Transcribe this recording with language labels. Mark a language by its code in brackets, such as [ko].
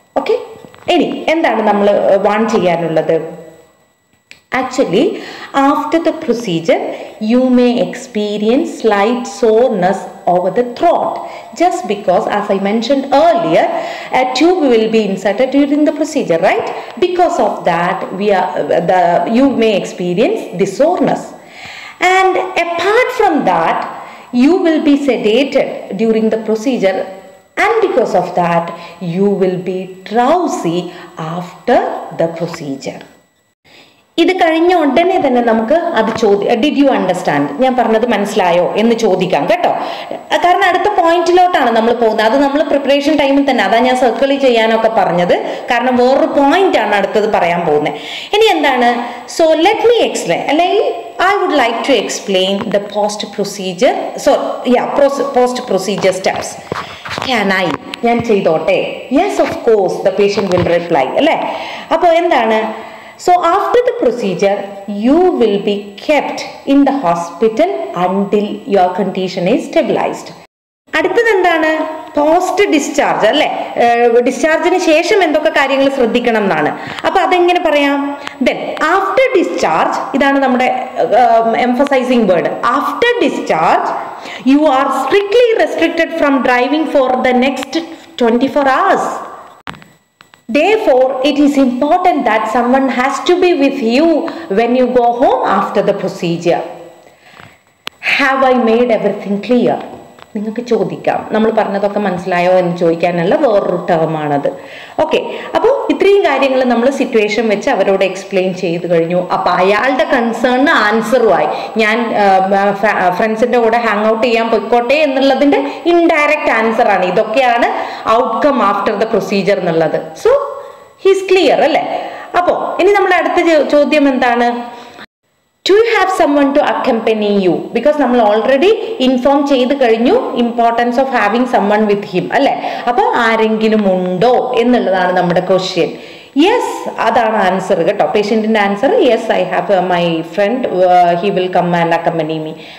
[ml] Okay, ഇനി എന്താണ് നമ്മൾ വാണ്ട് ചെയ്യാനുള്ളത്? [en] Actually after the procedure you may experience slight soreness over the throat just because as I mentioned earlier a tube will be inserted during the procedure, right? Because of that you may experience the soreness. And apart from that you will be sedated during the procedure. And because of that, you will be drowsy after the procedure. [ml] ഇത് കഴിഞ്ഞ ഉടനെ തന്നെ നമുക്ക് അത് ചോദിക്കാം, [en] did you understand, [ml] ഞാൻ പറഞ്ഞത് മനസ്സിലായോ എന്ന് ചോദിക്കാം കേട്ടോ. കാരണം അടുത്ത പോയിന്റിലോട്ടാണ് നമ്മൾ പോകുന്നത്, അത് നമ്മൾ പ്രിപ്പറേഷൻ ടൈമിൽ തന്നെ, അതാണ് ഞാൻ സർക്കിൾ ചെയ്യാനൊക്കെ പറഞ്ഞത്, കാരണം വേറൊരു പോയിന്റ് ആണ് അടുത്തത് പറയാൻ പോകുന്നത്. ഇനി എന്താണ്? [en] so let me explain, [ml] അല്ലെങ്കിൽ [en] I would like to explain the post procedure, sorry yeah post procedure steps. Can I, [ml] ഞാൻ ചെയ്തോട്ടെ? [en] yes of course, the patient will reply [ml] അല്ലേ. അപ്പോൾ എന്താണ്? [en] So after the procedure, you will be kept in the hospital until your condition is stabilized. [ml] അടുത്തത് എന്താണ്? Post discharge അല്ലേ, ഡിസ്ചാർജിന് ശേഷം എന്തൊക്കെ കാര്യങ്ങൾ ശ്രദ്ധിക്കണം എന്നാണ്. അപ്പോൾ അതെങ്ങനെ പറയാം? [en] then after discharge, [ml] ഇതാണ് നമ്മുടെ [en] Emphasising word. After discharge you are strictly restricted from driving for the next 24 hours. Therefore, it is important that someone has to be with you when you go home after the procedure. Have I made everything clear? [ml] നിങ്ങൾക്ക് ചോദിക്കാം, നമ്മൾ പറഞ്ഞതൊക്കെ മനസ്സിലായോ എന്ന് ചോദിക്കാനുള്ള വേറൊരു ടേമാണത്. Okay, അപ്പോൾ ഇത്രയും കാര്യങ്ങൾ നമ്മൾ സിറ്റുവേഷൻ വെച്ച് അവരോട് എക്സ്പ്ലെയിൻ ചെയ്ത് കഴിഞ്ഞു. അപ്പോൾ അയാളുടെ കൺസേണിന് ആൻസറുമായി, ഞാൻ ഫ്രണ്ട്സിൻ്റെ കൂടെ ഹാങ് ഔട്ട് ചെയ്യാൻ പോയിക്കോട്ടെ എന്നുള്ളതിൻ്റെ ഇൻഡയറക്റ്റ് ആൻസറാണ്. ഇതൊക്കെയാണ് [en] outcome after the procedure [ml] എന്നുള്ളത്. [en] So he's clear അല്ലേ. [ml] അപ്പോൾ ഇനി നമ്മുടെ അടുത്ത ചോദ്യം എന്താണ്? [en] Do you have someone to accompany you? Because [ml] നമ്മൾ [en] already inform [ml] ചെയ്ത് കഴിഞ്ഞു [en] Importance of having someone with him അല്ലേ. [ml] അപ്പോൾ ആരെങ്കിലും ഉണ്ടോ എന്നുള്ളതാണ് നമ്മുടെ ക്വസ്റ്റ്യൻ. [en] yes, [ml] അതാണ് ആൻസർ കേട്ടോ, പേഷ്യൻറ്റിൻ്റെ answer. [en] Yes I have my friend, he will come and accompany me.